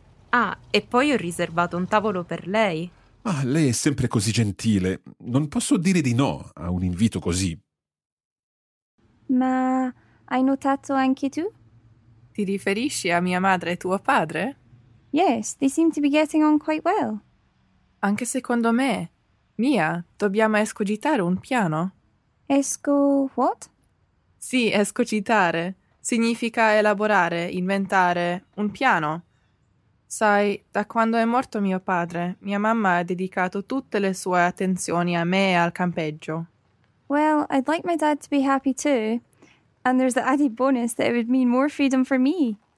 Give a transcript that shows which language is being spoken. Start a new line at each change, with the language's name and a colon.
Italian: Ah, e poi ho riservato un tavolo per lei. Ah, lei è sempre così gentile. Non posso dire di no a un invito così. Ma hai notato anche tu? Ti riferisci a mia madre e tuo padre?
English: Yes, they seem to be getting on quite well.
Italian: Anche secondo me. Mia, dobbiamo escogitare un piano.
English: What?
Italian: Sì, escogitare. Significa elaborare, inventare un piano. Sai, da quando è morto mio padre, mia mamma ha dedicato tutte le sue attenzioni a me e al campeggio.
English: Well, I'd like my dad to be happy too. And there's the added bonus that it would mean more freedom for me.